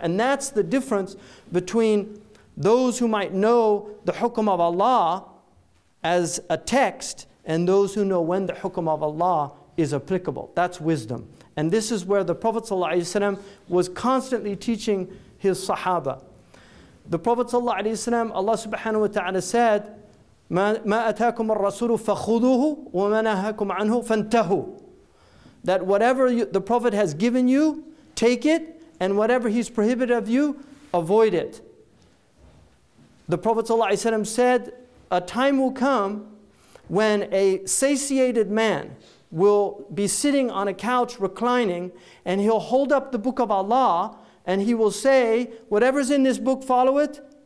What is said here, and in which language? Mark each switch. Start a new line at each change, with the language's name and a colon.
English: And that's the difference between those who might know the hukm of Allah as a text and those who know when the hukm of Allah is applicable. That's wisdom. And this is where the Prophet ﷺ was constantly teaching his sahaba. The Prophet ﷺ, Allah subhanahu wa ta'ala said,
Arabic: مَا أَتَاكُمَ الرَّسُولُ فَخُذُوهُ وَمَا نَهَاكُمْ عَنْهُ فَانْتَهُوا.
English: That whatever the Prophet has given you, take it, and whatever he's prohibited of you, avoid it. The Prophet ﷺ said, a time will come when a satiated man will be sitting on a couch reclining, and he'll hold up the book of Allah, and he will say, whatever's in this book, follow it.